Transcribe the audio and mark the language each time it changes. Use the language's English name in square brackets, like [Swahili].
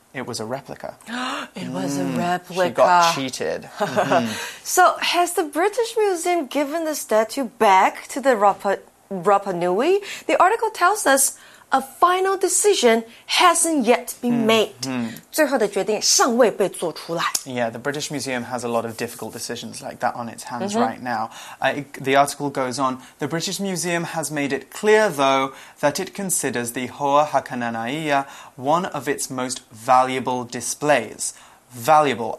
[English] It was a replica. It was a replica. She got cheated. So has the British Museum given the statue back to the Rapa Nui? The article tells us,A final decision hasn't yet been made. Mm-hmm. [Chinese] 最后的决定尚未被做出来。 [English] Yeah, the British Museum has a lot of difficult decisions like that on its hands、mm-hmm. right now. The article goes on, the British Museum has made it clear, though, that it considers the Hoa Hakananaia one of its most valuable displays. Valuable.